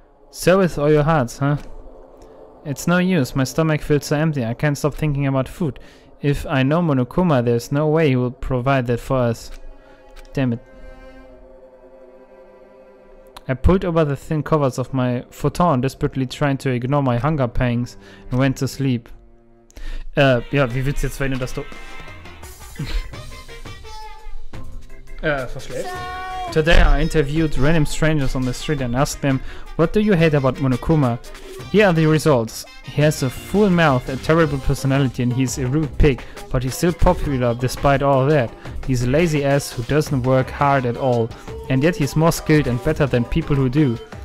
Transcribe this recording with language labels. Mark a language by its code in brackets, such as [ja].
[en] So with all your hearts, huh? It's no use, my stomach feels so empty, I can't stop thinking about food. If I know Monokuma, there's no way he will provide that for us. Damn it. I pulled over the thin covers of my futon, desperately trying to ignore my hunger pangs, and went to sleep. [de] Ja, wie willst du jetzt verhindern, dass du... verschläfst? [en] Today I interviewed random strangers on the street and asked them, what do you hate about Monokuma? Here are the results. He has a full mouth, a terrible personality, and he's a rude pig, but he's still popular despite all that. He's a lazy ass who doesn't work hard at all, and yet he's more skilled and better than people who do.